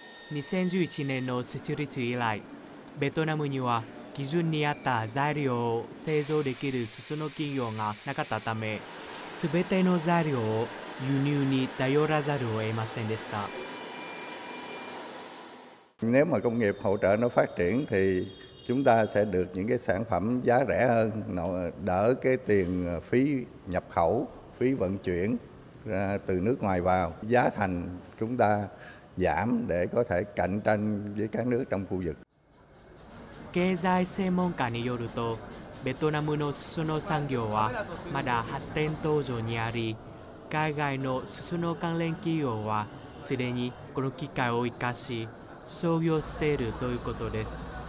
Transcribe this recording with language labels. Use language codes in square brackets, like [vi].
[ja] 2011年の設立以来、ベトナムには基準に合った材料を製造できる裾野企業がなかったため、全ての材料を輸入に頼らざるを得ませんでした。 [vi] Nếu mà công nghiệp hỗ trợ nó phát triển thìchúng ta sẽ được những cái sản phẩm giá rẻ hơn, đỡ cái tiền phí nhập khẩu, phí vận chuyển ra từ nước ngoài vào, giá thành chúng ta giảm để có thể cạnh tranh với các nước trong khu vực. [ja] 経済専門家によると、ベトナムの裾野産業はまだ発展途上にあり、海外の裾野関連企業はすでにこの機会を生かし創業しているということです。